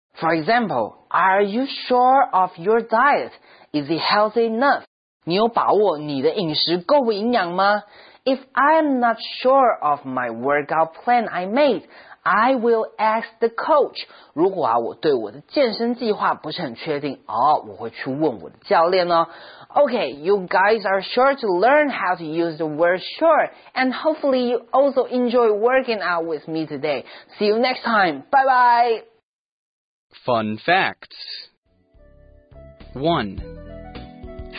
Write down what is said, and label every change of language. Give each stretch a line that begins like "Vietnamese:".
English: For example, are you sure of your diet? Is it healthy enough?
Chinese: 你有把握你的饮食够不营养吗？
English: If I'm not sure of my workout plan I made, I will ask the coach.
Chinese: 如果啊，我对我的健身计划不是很确定，哦，我会去问我的教练哦。
English: Okay, you guys are sure to learn how to use the word sure, and hopefully you also enjoy working out with me today. See you next time. Bye bye! Fun facts. 1.